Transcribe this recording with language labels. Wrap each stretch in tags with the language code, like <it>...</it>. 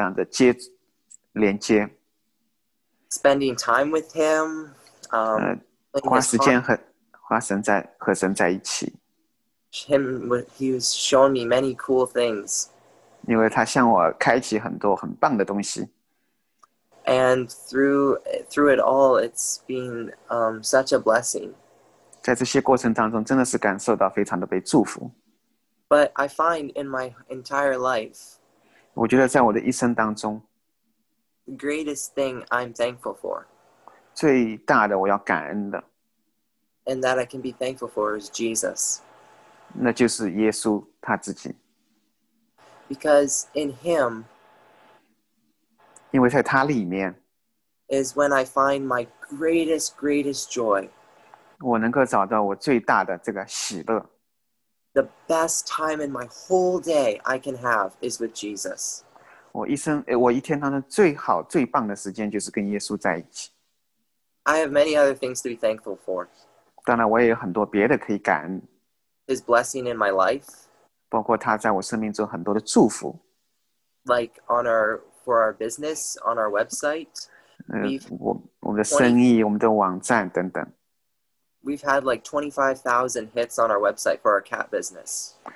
<zh>和神有奇妙的这样的连接。</zh> <en>Spending time with him.</en> <zh>花时间和神在一起。</zh> <en>He was showing me many cool things.</en> <zh>因为他向我开启很多很棒的东西。</zh> <en>And through it all, it's been such a blessing.</en> <zh>在这些过程当中，真的是感受到非常的被祝福。</zh> <en>But I find in my entire life,</en> <zh>我觉得在我的一生当中,</zh> <en>the greatest thing I'm thankful for,</en> <zh>最大的我要感恩的,</zh> <en>and that I can be thankful for is Jesus.</en> <zh>那就是耶稣他自己。</zh> <en>Because in him,</en> <zh>因为在他里面,</zh> <en>is when I find my greatest joy.</en> <zh>我能够找到我最大的这个喜乐。</zh> <en>The best time in my whole day I can have is with Jesus.</en> <zh>我一天当中最好最棒的时间就是跟耶稣在一起。</zh> <en>I have many other things to be thankful for.</en> <zh>当然我也有很多别的可以感恩。</zh> <en>His blessing in my life.</en> <zh>包括他在我生命中很多的祝福。</zh> <en>Like on our, for our business, on our website.</en> <zh>我们的生意，我们的网站等等。</zh> <en>We've had like 25,000 hits on our website for our cat business.</en>